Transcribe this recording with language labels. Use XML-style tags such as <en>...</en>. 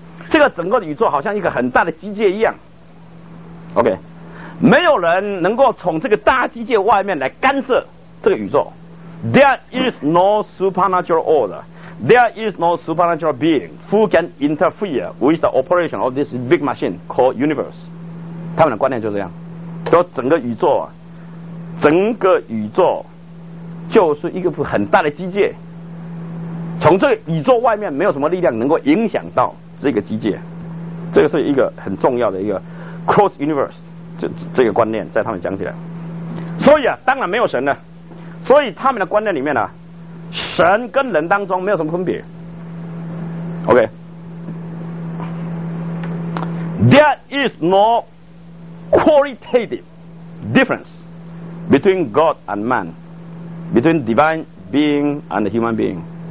<zh>这个整个宇宙好像一个很大的机械一样 ，OK， 没有人能够从这个大机械外面来干涉这个宇宙。</zh> <en>There is no supernatural order. There is no supernatural being who can interfere with the operation of this big machine called universe.</en> <zh>他们的观念就是这样，说整个宇宙啊，整个宇宙就是一个很大的机械，从这个宇宙外面没有什么力量能够影响到这个机械，这个是一个很重要的一个 cross universe 这个观念在他们讲起来。所以啊，当然没有神了，所以他们的观念里面呢、啊，神跟人当中没有什么分别。</zh> <en>OK， There is no qualitative difference between God and man, between divine being and human being.</en>